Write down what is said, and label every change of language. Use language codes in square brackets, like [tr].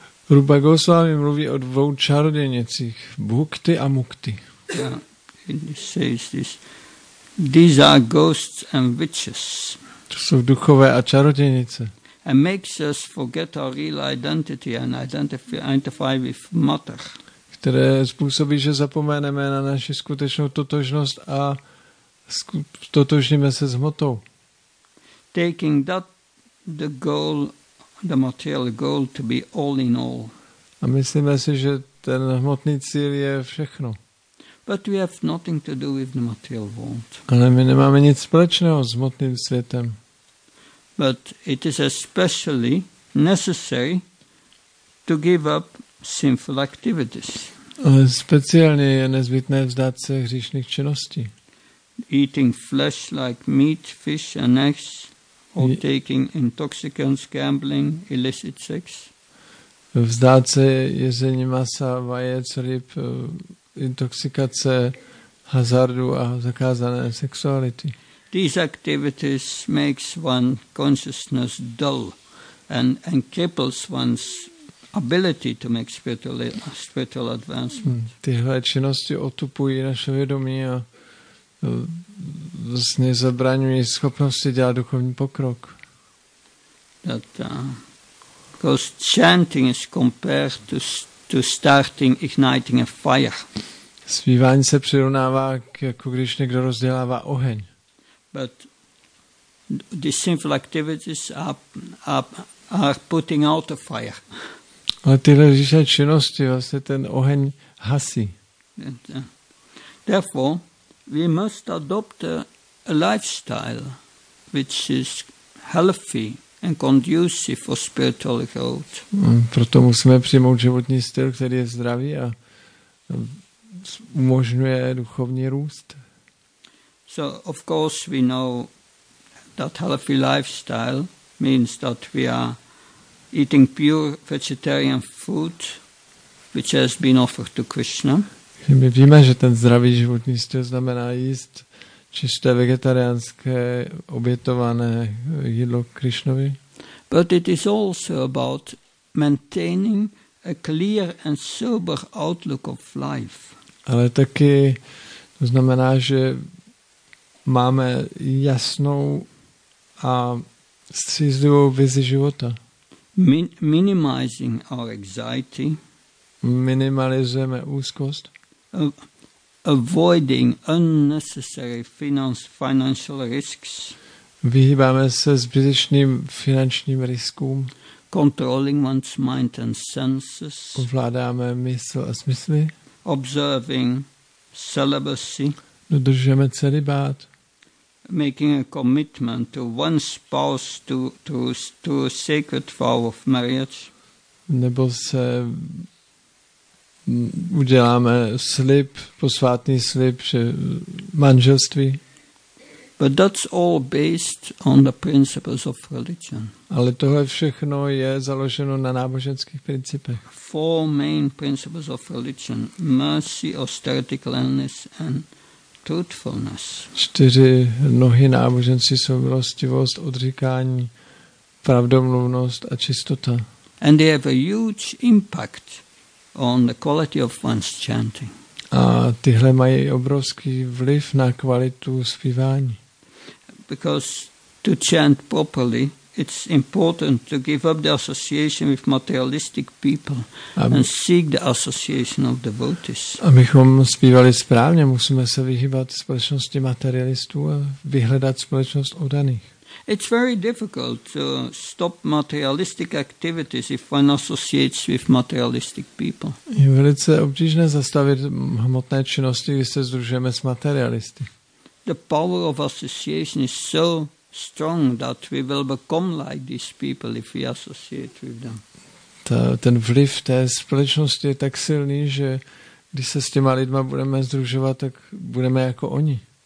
[cs] Rupa Goswami mluví o dvou čarodějnicích, bhukti a mukti. [en] Yeah, he says this. These are ghosts and witches. [cs] To jsou duchové a čarodějnice. [en] And makes us forget our real identity and identify with matter. [cs] Které způsobí, že zapomeneme na naši skutečnou totožnost a totožníme se s hmotou. [en] Taking that the goal, the material goal to be all in all. [cs] A myslíme si, že ten hmotný cíl je všechno. [en] But we have nothing to do with the material world. [cs] Ale my nemáme nic společného s hmotným světem. [en] But it is especially necessary to give up sinful activities. [cs] Speciálně je nezbytné vzdát se hříšných činností. [en] Eating flesh like meat, fish and eggs, or taking intoxicants, gambling, illicit sex. [cs] Vzdát se jezení masa, vajec, ryb, intoxikace, hazardu a zakázané sexuality. [en] These activities makes one consciousness dull and cripples one's ability to make spiritual advancement. [cs] Tyhle činnosti otupují naše vědomí a vlastně zabraňují schopnosti dělat duchovní pokrok. [en] Because chanting is compared to starting igniting a fire. [cs] Zpívání se přirovnává, jako když někdo rozdělává oheň. [en] But the sinful activities are putting out the fire. [cs] Ale tyhle hříšné činnosti vlastně ten oheň hasí. [en] Therefore, we must adopt a lifestyle which is healthy and conducive for spiritual growth. [cs] Proto musíme přijmout životní styl, který je zdravý a umožňuje duchovní růst. [en] So of course we know that healthy lifestyle means that we are eating pure vegetarian food, which has been offered to Krishna. [cs] My víme, že ten zdravý životní styl znamená jíst čisté vegetariánské obětované jídlo Krišnovi. [en] But it is also about maintaining a clear and sober outlook of life. [cs] Ale taky to znamená, že máme jasnou a střízlivou vizi života. [en] Minimizing our anxiety. [cs] Minimalizujeme úzkost. [en] Avoiding unnecessary financial risks. [cs] Vyhýbáme se zbytečným finančním riskům. [en] Controlling one's mind and senses. [cs] Ovládáme mysl a smysly. [en] Observing celibacy. [cs] Dodržujeme celibát. [en] Making a commitment to one spouse to a sacred vow of marriage. [cs] Nebo se uděláme slib, posvátný slib, že manželství. [en] But that's all based on the principles of religion. [cs] Ale tohle všechno je založeno na náboženských principech. [en] Four main principles of religion: mercy, austerity, cleanliness and truthfulness. [cs] Čtyři nohy náboženství jsou milostivost, odříkání, pravdomluvnost a čistota. [en] And they have a huge impact on the quality of one's chanting. [cs] A tyhle mají obrovský vliv na kvalitu zpívání. [en] Because to chant properly, it's important to give up the association with materialistic people and seek the association of devotees. [cs] Abychom zpívali správně, musíme se vyhýbat společnosti materialistů a vyhledat společnost oddaných. [en] It's very difficult to stop materialistic activities if one associates with materialistic people. [cs] Je velice obtížné zastavit hmotné činnosti, když se združujeme s materialisty. [en] The power of association is so strong that we will become like these people if we associate with them. [cs] Ten vliv té společnosti je tak silný, že když se s těma lidma budeme združovat, tak budeme jako oni.